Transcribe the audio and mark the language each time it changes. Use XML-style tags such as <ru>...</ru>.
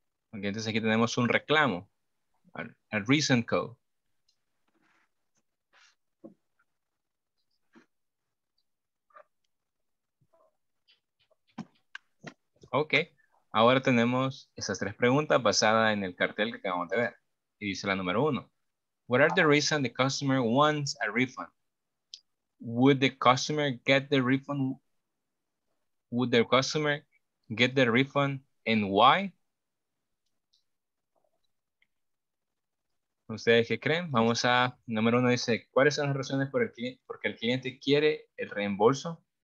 <es>Okay, entonces aquí tenemos un reclamo,</es> <en>a recent code.</en> <es>Ok, ahora tenemos esas tres preguntas basadas en el cartel que acabamos de ver. Y dice la número uno.</es> <en>What are the reasons the customer wants a refund? Would the customer get the refund? Would the customer get the refund and why?</en> <es>¿Ustedes qué creen? Vamos a, número uno dice, ¿cuáles son las razones porque el cliente quiere el reembolso?</es>